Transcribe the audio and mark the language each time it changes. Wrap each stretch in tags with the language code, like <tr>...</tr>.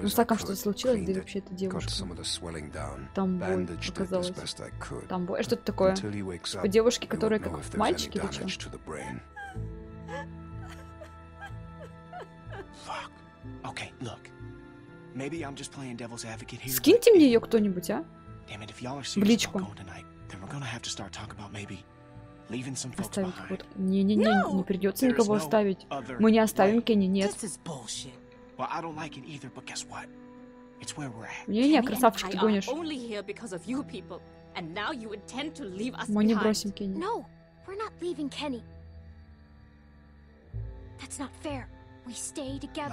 <en>as possible.</en> <ru>Ну, что-то случилось, да вообще эта девушка. Там боль показалась. Там боль. Что-то такое. Типа девушки, которые как мальчики, или что?</ru> <en>Okay, look. Maybe I'm just playing devil's advocate here.</en> <ru>Скиньте мне ее кто-нибудь, а?</ru> <en>Damn it, if y'all are serious about going tonight, then we're gonna have to start talking about maybe leaving some folks behind.</en> <ru>Не придется никого оставить. Мы не оставим Кенни, нет.</ru> <en>This is bullshit. Well, I don't like it either, but guess what? It's where we're at.</en> <ru>Не, красавчик, ты гонишь.</ru> <en>Only here because of you people, and now you intend to leave us behind.</en> <ru>Мы не бросим Кенни.</ru> <en>No, We're not leaving Kenny. That's not fair. We stay together.</en>